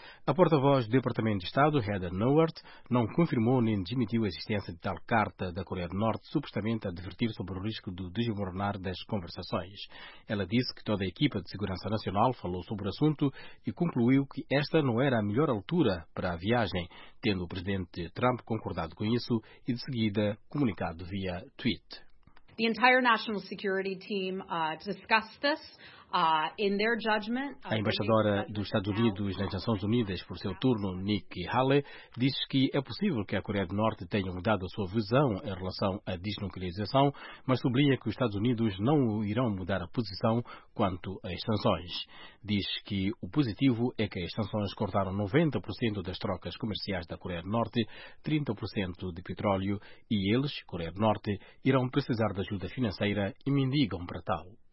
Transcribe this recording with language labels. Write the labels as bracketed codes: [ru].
[pt] A porta-voz do Departamento de Estado, Heather Nauert, não confirmou nem demitiu a existência de tal carta da Coreia do Norte, supostamente a advertir sobre o risco do desmoronar das conversações. Ela disse que toda a equipa de segurança nacional falou sobre o assunto e concluiu que esta não era a melhor altura para a viagem, tendo o presidente Trump concordado com isso e, de seguida, comunicado via tweet. [en] The entire national security team discussed this in their judgment. [pt] A embaixadora dos Estados Unidos nas Nações Unidas, por seu turno, Nikki Haley, disse que é possível que a Coreia do Norte tenha mudado a sua visão em relação à desnuclearização, mas sublinha que os Estados Unidos não irão mudar a posição quanto às sanções. Diz que o positivo é que as sanções cortaram 90% das trocas comerciais da Coreia do Norte, 30% de petróleo, e eles, Coreia do Norte, irão precisar de ajuda financeira e mendigam para tal.